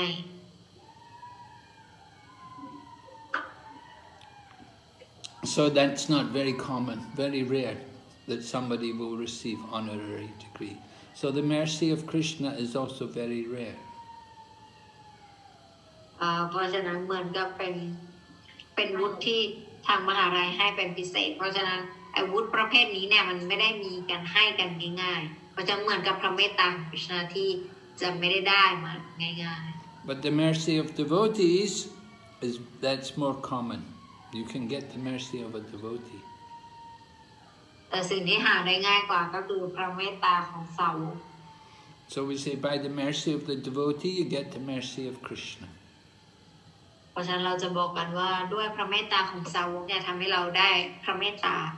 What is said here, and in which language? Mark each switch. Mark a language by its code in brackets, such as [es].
[en] So that's not very common, very rare that somebody will receive honorary degree. So the mercy of Krishna is also very rare. [th] เพราะฉะนั้นเหมือนกับเป็นวุฒิที่ทางมหาลัยให้เป็นพิเศษเพราะฉะนั้นอาวุธประเภทนี้เนี่ยมันไม่ได้มีกันให้กันง่ายๆเพราะจะเหมือนกับพระเมตตาของคริสต์ที่จะไม่ได้ได้มาง่าย [en] ๆ But the mercy of devotees is that's more common. You can get the mercy of a devotee. [th] แต่สิ่งที่หาได้ง่ายกว่าก็คือพระเมตตาของสาวก [en] So we say by the mercy of the devotee you get the mercy of Krishna. [th] เพราะฉะนั้นเราจะบอกกันว่าด้วยพระเมตตาของสาวกเนี่ยทำให้เราได้พระเมตตา